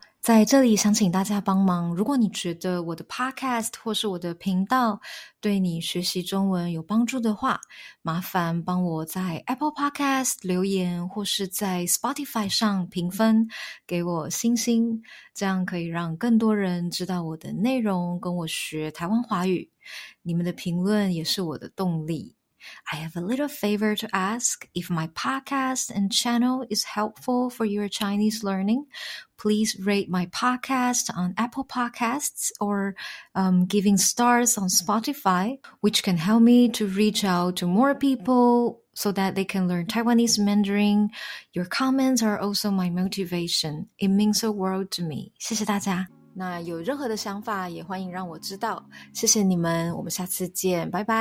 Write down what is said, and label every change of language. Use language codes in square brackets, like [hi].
[zh] 在这里想请大家帮忙，如果你觉得我的 podcast 或是我的频道对你学习中文有帮助的话，麻烦帮我在 Apple Podcast 留言或是在 Spotify 上评分，给我星星，这样可以让更多人知道我的内容，跟我学台湾华语。你们的评论也是我的动力。 [en] I have a little favor to ask. If my podcast and channel is helpful for your Chinese learning, please rate my podcast on Apple Podcasts or giving stars on Spotify, which can help me to reach out to more people so that they can learn Taiwanese Mandarin. Your comments are also my motivation. It means the world to me. [zh] 谢谢大家。那有任何的想法也欢迎让我知道。谢谢你们，我们下次见，拜拜。